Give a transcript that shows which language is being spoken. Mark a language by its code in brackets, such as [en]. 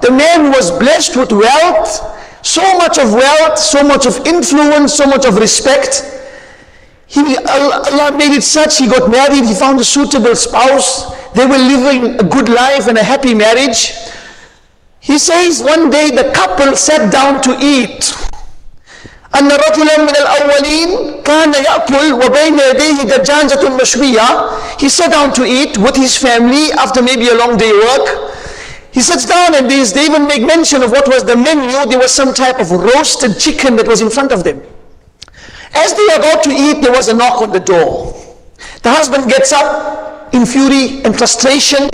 [en] The man was blessed with wealth, so much of wealth, so much of influence, so much of respect. Allah made it such, he got married, he found a suitable spouse. They were living a good life and a happy marriage. He says, one day the couple sat down to eat. [ar] أن رجلا من الأولين كان يأكل وبين يديه دجاجة مشوية. [en] He sat down to eat with his family after maybe a long day work. He sits down and they even make mention of what was the menu. There was some type of roasted chicken that was in front of them. As they are about to eat, there was a knock on the door. The husband gets up in fury and frustration.